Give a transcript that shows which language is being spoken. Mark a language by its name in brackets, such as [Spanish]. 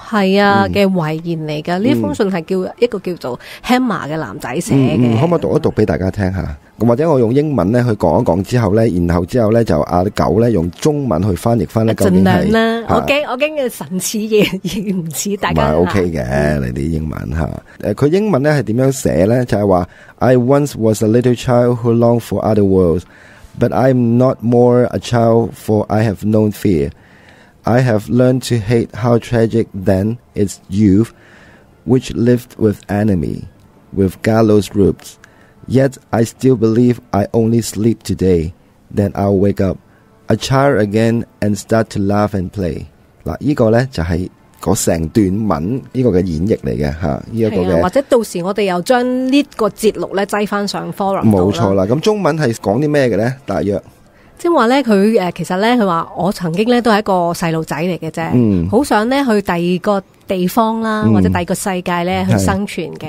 [Cantonese] 系啊嘅遗言嚟噶。呢封信系叫一个叫做 Hammer 嘅男仔写嘅，可唔可以读一读俾大家听下？或者我用英文咧去讲一讲之后咧，然后之后咧就阿九咧用中文去翻译翻咧，究竟系尽量啦。我惊嘅神似嘢亦唔似大家。唔系 OK 嘅，你啲英文吓。佢英文咧系点样写咧？就系、是、话 [English] I once was a little child who longed for other worlds, but I'm not more a child for I have known fear. I have learned to hate how tragic then is youth, which lived with enemy, with gallows ropes. Yet I still believe I only sleep today. Then I'll wake up a child again and start to laugh and play. [Cantonese] 嗱，依个咧就系嗰成段文依个嘅演绎嚟嘅吓，依一个嘅。或者到时我哋又将呢个节录咧挤翻上 forum 度啦。冇错啦，咁中文系讲啲咩嘅咧？大约。即系话咧，佢其实咧，佢话我曾经咧都系一个细路仔嚟嘅啫，好想咧去第二个地方啦，或者第二个世界咧去生存嘅。